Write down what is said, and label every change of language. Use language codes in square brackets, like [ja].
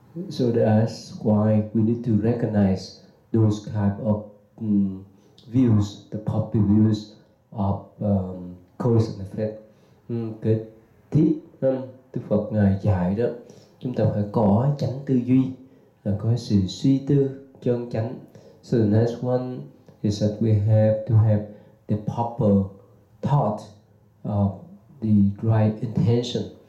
[en] So that's why we need to recognize those type of views, the proper views of cause and effect. [vi] Cái thiết Đức Phật ngài dạy đó, chúng ta phải có chánh tư duy, là có sự suy tư chân chánh. [en] So the next one is that we have to have the proper thought of the right intention.